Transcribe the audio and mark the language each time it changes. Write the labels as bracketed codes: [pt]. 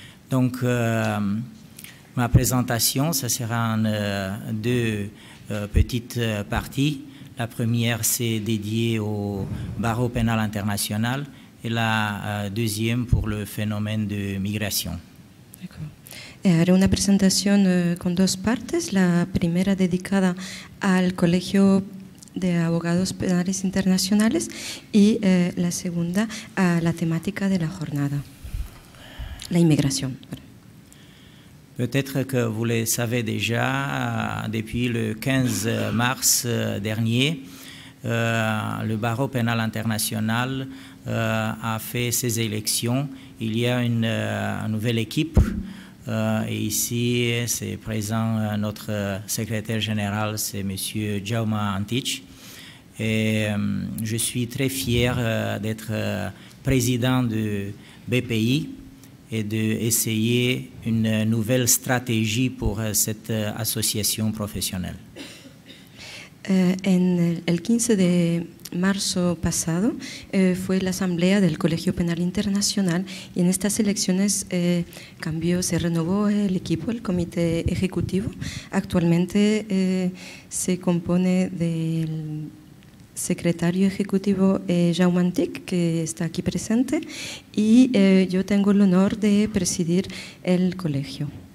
[fr] Donc, ma présentation, ça sera en deux petites parties. La première, c'est dédiée au barreau pénal international et la deuxième pour le phénomène de migration. [es] Haré una presentación con dos partes. La primera dedicada al Colegio de Abogados Penales Internacionales y la segunda a la temática de la jornada. [fr] La immigration. Peut-être que vous le savez déjà, depuis le 15 mars dernier, le barreau pénal international a fait ses élections. Il y a une nouvelle équipe. Et ici, c'est présent notre secrétaire général, c'est M. Jaume Antich. Et je suis très fier d'être président de BPI et d'essayer une nouvelle stratégie pour cette association professionnelle. [es] En el 15 de marzo pasado fue la asamblea del Colegio Penal Internacional y en estas elecciones se renovó el equipo, el comité ejecutivo. Actualmente se compone del secretario ejecutivo Jaume Antich, que está aquí presente, y yo tengo el honor de presidir el colegio.